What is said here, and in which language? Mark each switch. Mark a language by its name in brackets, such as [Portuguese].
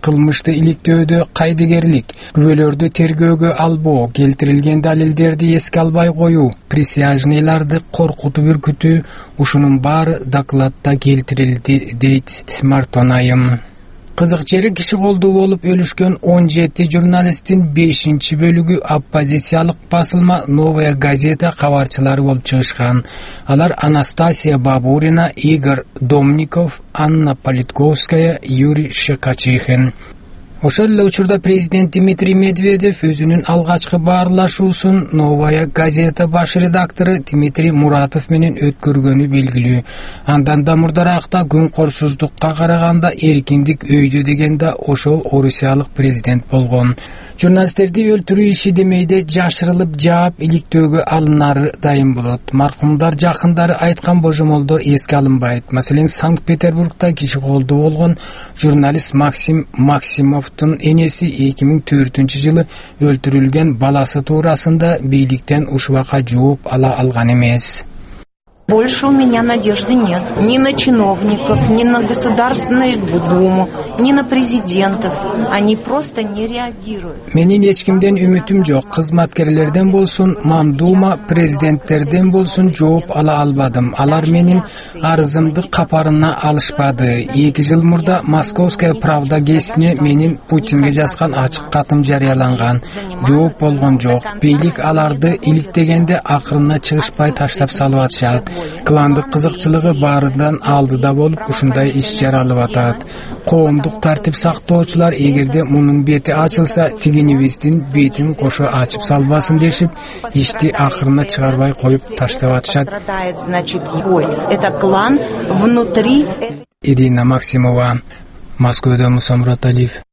[Kyrgyz] Кылмышты иликтөөдө кайдыгерлик, күбөлөрдү тергөөгө албоо, келтирилген далилдерди эске албай коюу, присяжныйларды коркутуп үркүтүү, ушунун баары докладда келтирилди, дейт Смартон айым. Кызык жери, киши колдуу болуп өлүшкөн 17 журналисттин 5-чи бөлүгү оппозициялык басылма «Новая газета» кабарчылары болуп чыгышкан. Алар Анастасия Бабурина, Игорь Домников, Анна Политковская, Юрий Шикачихин. Ошол эле учурда президент Дмитрий Медведев өзүнүн алгачкы баарлашуусун «Новая газета» баш редактору Дмитрий Муратов менен өткөргөнү белгилүү. Андан да мурдаракта күн корсуздукка караганда эркиндик өйдө дегенде ошол орусиялык президент болгон. Журналисттерди өлтүрүү иши демейде жашырылып, жаап иликтөөгө алынары дайым болот. Маркумдар жакындары айткан божомолдор эске алынбайт. Маселен, Санкт-Петербургда киши колдуу болгон журналист Максим Максимовтун энеси 2004 жылы өлтүрүлгөн баласы туурасында бийликтен ушубака жооп ала алган эмес. [Russian] Больше у меня надежды нет. Ни на чиновников, ни на Государственную Думу, ни на президентов. Они просто не реагируют. [Kyrgyz] Менин эч кимден үмүтүм жок. Кызматкерлерден болсун, мандума, президенттерден болсун жооп ала албадым. Алар менин арызымды капарына алышпады. 2 жыл мурда Московская правда гезитине менин Путинге жазган ачык катым жарыяланган. Жооп болгон жок. Бийлик аларды иликтегенде акырына чыгышпай таштап салып атышат. Кландык кызыкчылыгы баарынан алдыда болуп, ушундай иш жаралып атат. Коомдук тартип сактоочулар эгерде мунун бети ачылса, тигинибиздин бетин кошо ачып салбасын дешип, ишти акырына чыгарбай коюп таштап атышат. [Russian] Это клан внутри. [Kyrgyz] Ирина Максимова, Москвада Мусамурат Алиев.